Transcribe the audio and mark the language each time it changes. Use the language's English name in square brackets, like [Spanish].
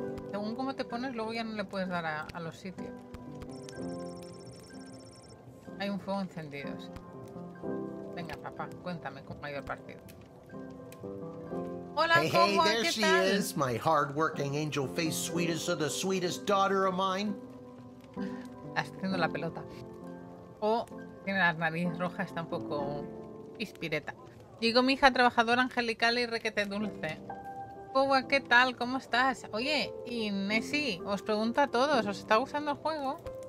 [Spanish] Según cómo te pones, luego ya no le puedes dar a los sitios. Hay un fuego encendido. Sí. Venga, papá, cuéntame cómo ha ido el partido. Hola, [English] hey, hey, there she is, my hard-working angel face, sweetest of the sweetest daughter of mine. [Spanish] Está haciendo la pelota. O tiene las narices rojas, está un poco inspireta. Digo, mi hija trabajadora angelical y requete dulce. Cowa, ¿qué tal? ¿Cómo estás? Oye, y Nessie, os pregunto a todos, ¿os está gustando el juego?